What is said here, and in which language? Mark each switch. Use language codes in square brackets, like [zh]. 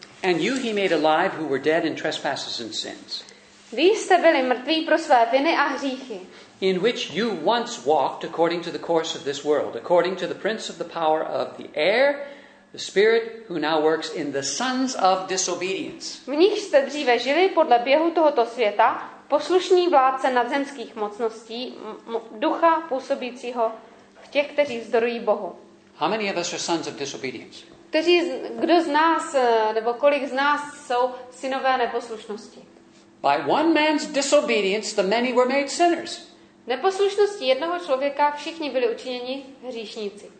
[en] And you he made alive who were dead in trespasses and sins. [cs] Vy jste byli mrtví pro své viny a hříchy. [en] In which you once walked according to the course of this world, according to the prince of the power of the air, the spirit who now works in the sons of disobedience. [cs] V nich jste dříve žili podle běhu tohoto světa, poslušní vládce nadzemských mocností, ducha působícího v těch, kteří vzdorují Bohu. [en] How many of us are sons of disobedience? [cs] Kdo z nás, nebo kolik z nás jsou synové neposlušnosti? [en] By one man's disobedience, the many were made sinners. [cs] Neposlušností jednoho člověka všichni byli učiněni hříšníci.